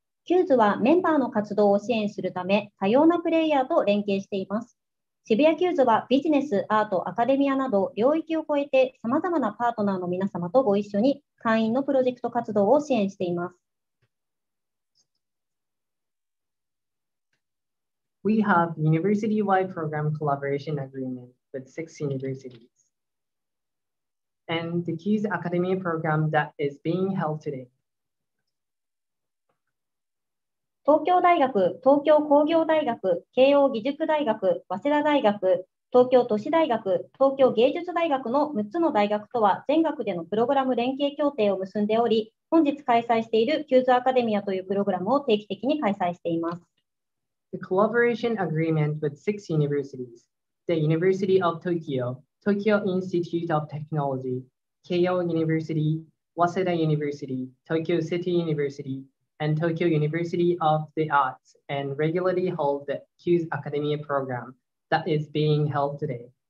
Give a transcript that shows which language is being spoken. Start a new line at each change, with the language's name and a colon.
Japanese: QS はメンバーの活動を支援するため、多様なプレイヤーと連携しています。渋谷 QS はビジネス、アート、アカデミアなど領域を超えて、さまざまなパートナーの皆様とご一緒に会員のプロジェクト活動を支援しています。
English: We have university-wide program collaboration agreement with six universities. And the QS Academy program that is being held today.
Japanese: 東京大学、東京工業大学、慶應義塾大学、早稲田大学、東京都市大学、東京芸術大学の6つの大学とは全学でのプログラム連携協定を結んでおり、本日開催している QS アカデミアというプログラムを定期的に開催しています。
English: The collaboration agreement with six universities, the University of Tokyo, Tokyo Institute of Technology, 慶應 University, 早稲田 University, Tokyo City University,and Tokyo University of the Arts and regularly hold the QS Academia program that is being held today.